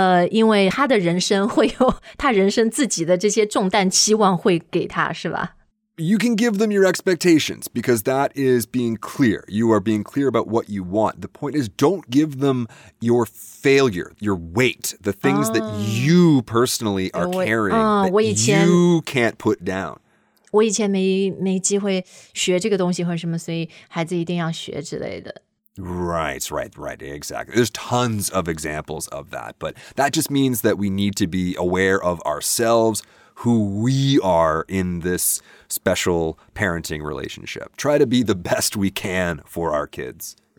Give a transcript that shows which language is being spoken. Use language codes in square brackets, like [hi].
[zh] 因为他的人生会有他人生自己的这些重担期望会给他是吧 [en] You can give them your expectations because that is being clear. You are being clear about what you want. The point is don't give them your failure, your weight, the things that you personally are carrying that you can't put down. [zh] 我以前没机会学这个东西或者什么所以孩子一定要学之类的。 [en] Right, right, right, exactly. There's tons of examples of that, but that just means that we need to be aware of ourselves, who we are in this special parenting relationship. Try to be the best we can for our kids.